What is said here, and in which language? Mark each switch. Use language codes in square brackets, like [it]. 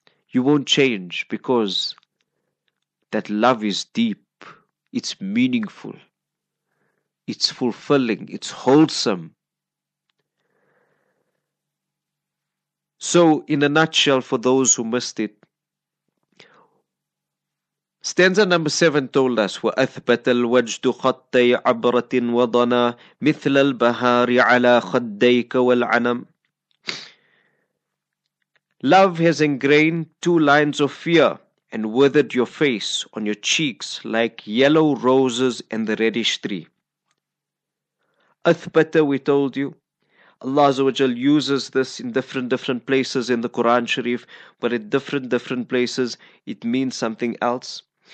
[en] You won't change because that love is deep. It's meaningful. It's fulfilling. It's wholesome. So, in a nutshell, for those who missed it, Stanza number 7 told us, [ar] وَأَثْبَتَ الْوَجْدُ خَطَّي عَبْرَةٍ وَضَنَى مِثْلَ الْبَهَارِ عَلَى خَدَّيْكَ وَالْعَنَمِ. [en] Love has ingrained two lines of fear and withered your face on your cheeks like yellow roses and the reddish tree. أَثْبَتَ, we told you. Allah Azawajal uses this in different places in the Quran Sharif, but at different places it means something else.